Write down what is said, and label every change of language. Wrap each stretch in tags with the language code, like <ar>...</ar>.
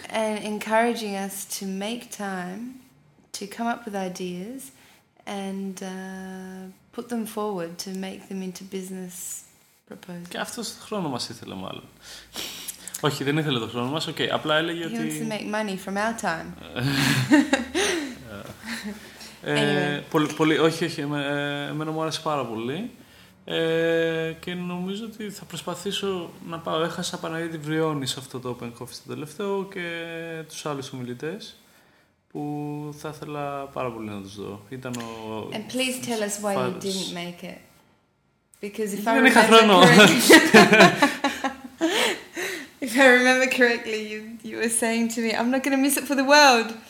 <en>And encouraging us to make time to come up with ideas and put them forward to make them into business proposals.</en> <el>Και αυτός το χρόνο μας ήθελε μάλλον. Όχι, δεν ήθελε το χρόνο μας. Okay, απλά έλεγε ότι</el> <en>he wants to make money from our time.</en> <el>πολύ, όχι, όχι, εμένα μου άρεσε πάρα πολύ. Και νομίζω ότι θα προσπαθήσω να πάω. Έχασα Παναγιώτη Βριώνη σε αυτό το Open Coffee στο τελευταίο και τους άλλους ομιλητές. Που θα ήθελα πάρα πολύ να τους δω. Ήταν ο</el> <en>And please tell us why you didn't make it. Because if I remember correctly, if I remember correctly, you were saying to me, "I'm not going to miss it for the world.</en>